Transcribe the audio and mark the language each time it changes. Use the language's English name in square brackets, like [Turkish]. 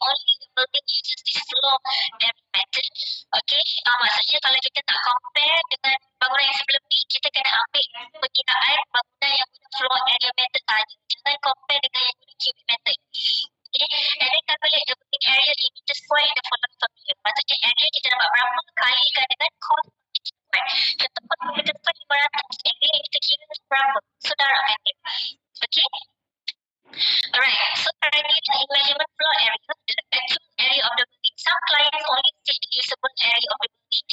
[English] Only the building uses this floor area method. [Malay] Okay, maksudnya kalau kita nak compare dengan bangunan yang sebelum ni, kita kena ambil perkiraan bangunan yang guna floor area method tadi. Jangan compare dengan yang guna cubic method. [English] Okay, and then calculate the building area in meters square in the following formula. [Malay] Maksudnya area kita dapat berapa kalikan dengan cost. Contoh pun kita dapat 500 area yang kita kira itu berapa. So, darabkan dia. Okay? Alright. [English] So, criteria in measurement floor area, the actual area of the building. Some clients only see the usable area of the building.